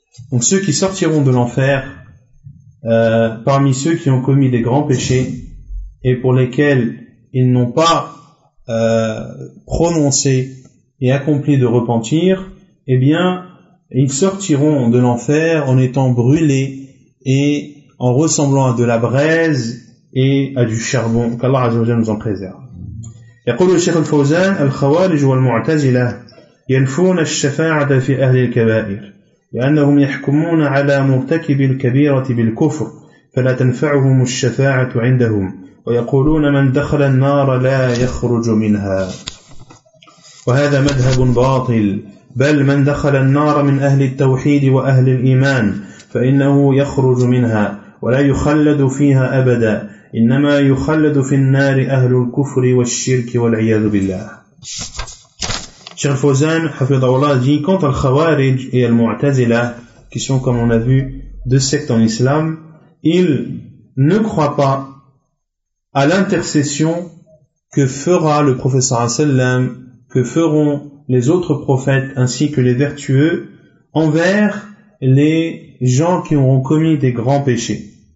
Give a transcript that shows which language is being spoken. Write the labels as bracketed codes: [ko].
[fr] Donc ceux qui sortiront de l'enfer, parmi ceux qui ont commis des grands péchés et pour lesquels ils n'ont pas prononcé et accompli de repentir, eh bien, ils sortiront de l'enfer en étant brûlés et en ressemblant à de la braise et à du charbon. Qu'Allah Azza wa Jalla nous en préserve. [ar] يقول الشيخ الفوزان الخوارج والمعتزلة ينفون الشفاعة في أهل الكبائر لأنهم يحكمون على مرتكب الكبيرة بالكفر فلا تنفعهم الشفاعة عندهم ويقولون من دخل النار لا يخرج منها وهذا مذهب باطل بل من دخل النار من أهل التوحيد وأهل الإيمان فإنه يخرج منها ولا يخلد فيها أبدا إنما يخلد في النار أهل الكفر والشرك والعياذ بالله. [fr] Cheikh Fawzan, Hafidhahullah, dit, quant à Al-Khawarij et Al-Mu'tazila, qui sont, comme on a vu, deux sectes en islam, ils ne croient pas à l'intercession que fera le prophète sallallahu alayhi wa sallam, que feront les autres prophètes ainsi que les vertueux envers les gens qui auront commis des grands péchés.